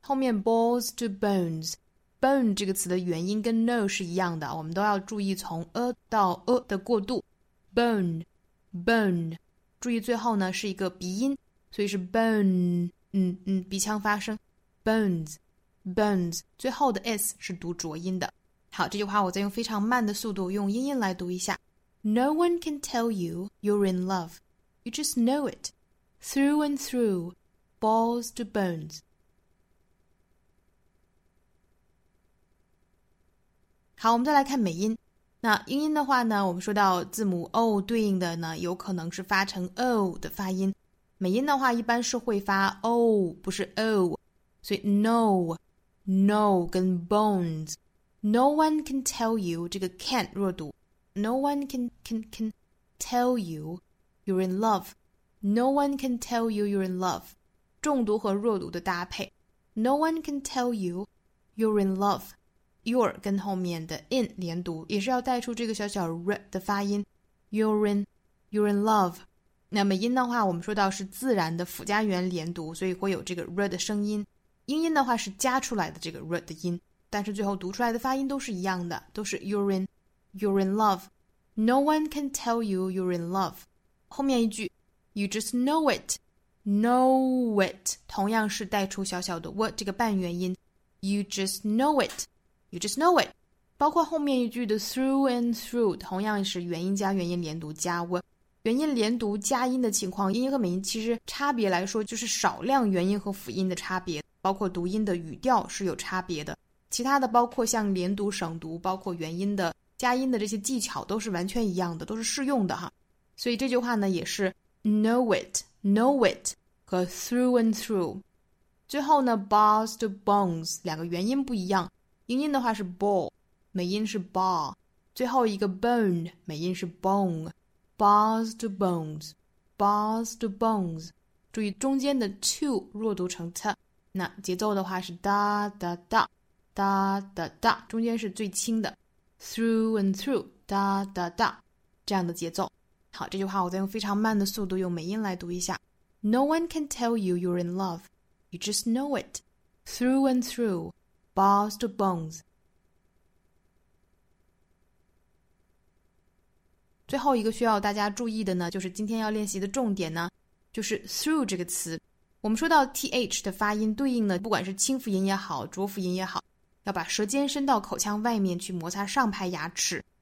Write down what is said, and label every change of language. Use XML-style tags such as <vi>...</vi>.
<zh>后面</zh> <en>balls to bones，</en> <zh>bone 这个词的元音跟 no 是一样的，我们都要注意从 a 到 a 的过渡</zh> <en>bone bone，</en> <zh>注意最后呢是一个鼻音，所以是 bone, 鼻腔发声</zh> <en>bones, bones,</en> <zh>最后的 s 是读浊音的。好，这句话我再用非常慢的速度用英音来读一下。</zh> <en>No one can tell you you're in love. You just know it. Through and through, balls to bones.</en> <zh>好，我们再来看美音。那英音的话呢，我们说到字母 o 对应的呢有可能是发成 o 的发音。美音的话一般是会发 o 不是 o， 所以 no no 跟 bones。</zh> <en>No one can tell you</en> <zh>这个</zh> <en>can 弱读， No one can tell you you're in love， No one can tell you you're in love，</en> <zh>重读和弱读的搭配。</zh> <en>No one can tell you you're in love， you're 跟后面的 in</en> <zh>连读也是要带出这个小小</zh> <en>r 的发音， you're in love。</en> <zh>那美音的话我们说到是自然的辅加元连读，所以会有这个 r 的声音。英音的话是加出来的这个 r 的音，但是最后读出来的发音都是一样的，都是 you're in love。</zh> <en>No one can tell you you're in love。 后面一句 you just know it, know it,</en> <zh>同样是带出小小的</zh> <en>w</en> <zh>这个半元音，</zh> <en>you just know it, you just know it。</en> <zh>包括后面一句的</zh> <en>through and through</en> <zh>同样是元音加元音连读加 w，元音连读加音的情况，英音和美音其实差别来说就是少量元音和辅音的差别，包括读音的语调是有差别的，其他的包括像连读省读包括元音的加音的这些技巧都是完全一样的，都是适用的哈。所以这句话呢也是 know it 和 through and through。最后呢 ，</zh> <en>balls to bones</en> <zh>两个元音不一样，英音的话是 ball， 美音是 ball， 最后一个 bone 美音是 bone。</zh> <en>balls to bones， balls to bones，</en> <zh>注意中间的 to 弱读成 t， 那节奏的话是哒哒哒，哒哒哒，中间是最轻的 ，</zh> <en>through and through，</en> <zh>哒哒哒，这样的节奏。好，这句话我再用非常慢的速度用美音来读一下 ，</zh> <en>No one can tell you you're in love。 You just know it, through and through, balls to bones.</en> <zh>最后一个需要大家注意的呢，就是今天要练习的重点呢，就是 through 这个词。我们说到 th 的发音，对应的不管是清辅音也好，浊辅音也好，要把舌尖伸到口腔外面去摩擦上排牙齿。</zh>